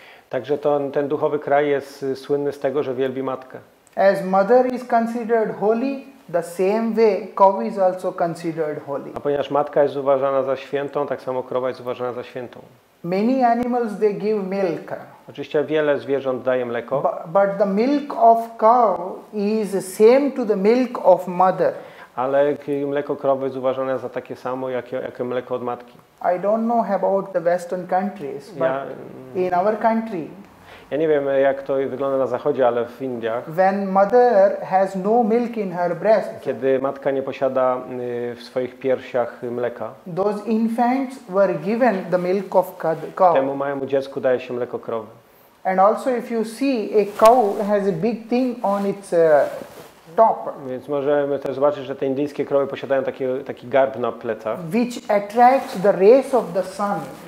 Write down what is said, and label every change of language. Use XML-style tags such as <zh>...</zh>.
<pl>Także ten duchowy kraj jest słynny z tego, że wielbi matkę.</pl> <en>As mother is considered holy, the same way cow is also considered holy.</en> <pl>A ponieważ matka jest uważana za świętą, tak samo krowa jest uważana za świętą.</pl> <en>Many animals they give milk.</en> <pl>Oczywiście wiele zwierząt daje mleko.</pl> <en>But the milk of cow is same to the milk of mother.</en> <pl>Ale mleko krowy jest uważane za takie samo jak mleko od matki.</pl> <en>I don't know about the western countries, but in our country.</en> <pl>Ja nie wiem jak to wygląda na zachodzie, ale w Indiach.</pl> <en>When mother has no milk in her breast.</en> <pl>Kiedy matka nie posiada w swoich piersiach mleka.</pl> <en>Those infants were given the milk of cow.</en> <pl>Temu małemu dziecku daje się mleko krowy.</pl> <en>And also if you see a cow has a big thing on its top.</en> <pl>Więc możemy też zobaczyć, że te indyjskie krowy posiadają taki garb na plecach.</pl> <en>Which attracts the rays of the sun.</en>